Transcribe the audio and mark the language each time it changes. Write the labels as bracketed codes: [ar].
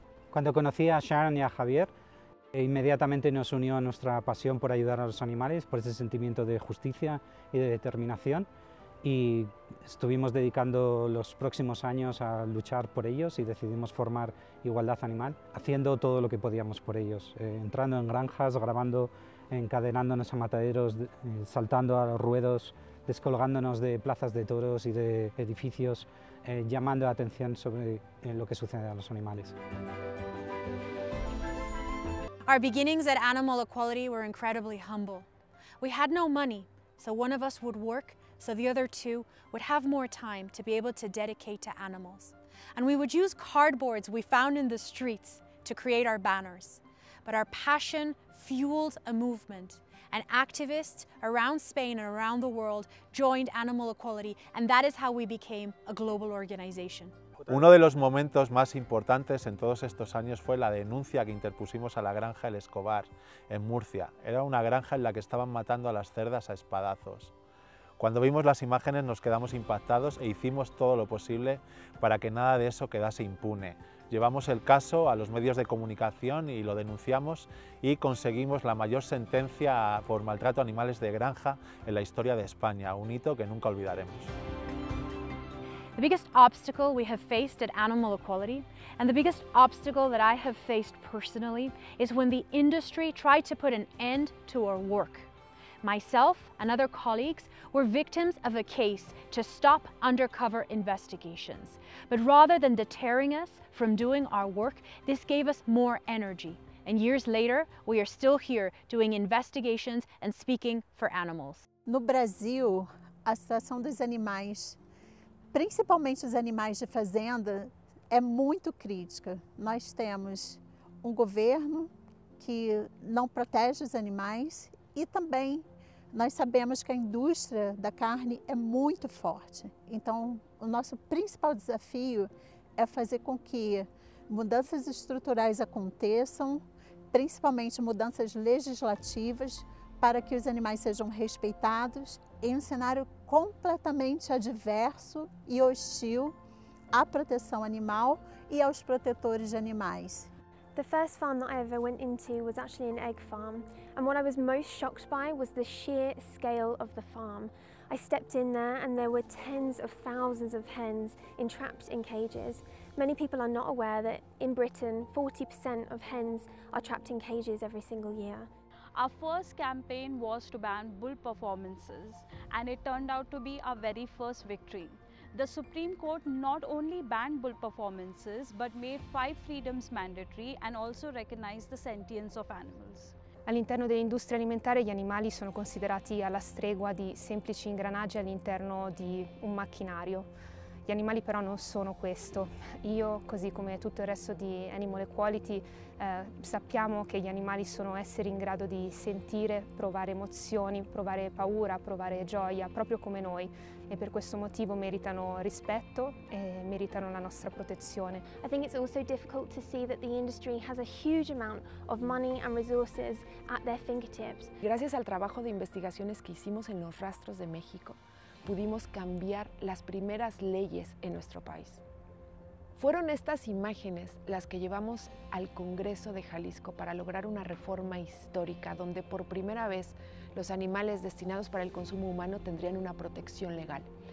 [es] Cuando conocí a Sharon y a Javier, inmediatamente nos unió a nuestra pasión por ayudar a los animales, por ese sentimiento de justicia y de determinación, y estuvimos dedicando los próximos años a luchar por ellos y decidimos formar Igualdad Animal, haciendo todo lo que podíamos por ellos, entrando en granjas, grabando, encadenándonos a mataderos, saltando a los ruedos, descolgándonos de plazas de toros y de edificios, llamando la atención sobre lo que sucede a los animales. [en] Our beginnings at Animal Equality were incredibly humble. We had no money, so one of us would work, so the other two would have more time to be able to dedicate to animals. And we would use cardboards we found in the streets to create our banners. But our passion fueled a movement, and activists around Spain and around the world joined Animal Equality, and that is how we became a global organization. [es] Uno de los momentos más importantes en todos estos años fue la denuncia que interpusimos a la granja El Escobar en Murcia. Era una granja en la que estaban matando a las cerdas a espadazos. Cuando vimos las imágenes nos quedamos impactados e hicimos todo lo posible para que nada de eso quedase impune. Llevamos el caso a los medios de comunicación y lo denunciamos y conseguimos la mayor sentencia por maltrato a animales de granja en la historia de España, un hito que nunca olvidaremos. [en] The biggest obstacle we have faced at Animal Equality and the biggest obstacle that I have faced personally is when the industry tried to put an end to our work. Myself and other colleagues were victims of a case to stop undercover investigations. But rather than deterring us from doing our work, this gave us more energy. And years later, we are still here doing investigations and speaking for animals. [pt] No Brasil, a situação dos animais, principalmente os animais de fazenda, é muito crítica. Nós temos governo que não protege os animais e também nós sabemos que a indústria da carne é muito forte. Então, o nosso principal desafio é fazer com que mudanças estruturais aconteçam, principalmente mudanças legislativas, para que os animais sejam respeitados em um cenário completamente adverso e hostil à proteção animal e aos protetores de animais. [en] The first farm that I ever went into was actually an egg farm, and what I was most shocked by was the sheer scale of the farm. I stepped in there and there were tens of thousands of hens entrapped in cages. Many people are not aware that in Britain, 40% of hens are trapped in cages every single year. Our first campaign was to ban bull performances, and it turned out to be our very first victory. The Supreme Court not only banned bull performances, but made five freedoms mandatory and also recognized the sentience of animals. [it] All'interno dell'industria alimentare gli animali sono considerati alla stregua di semplici ingranaggi all'interno di un macchinario. Gli animali però non sono questo. Io, così come tutto il resto di Animal Equality, sappiamo che gli animali sono esseri in grado di sentire, provare emozioni, provare paura, provare gioia, proprio come noi. E per questo motivo meritano rispetto e meritano la nostra protezione. [en] I think it's also difficult to see that the industry has a huge amount of money and resources at their fingertips. [es] Gracias al trabajo de investigaciones que hicimos en los rastros de México, pudimos cambiar las primeras leyes en nuestro país. Fueron estas imágenes las que llevamos al Congreso de Jalisco para lograr una reforma histórica donde por primera vez los animales destinados para el consumo humano tendrían una protección legal.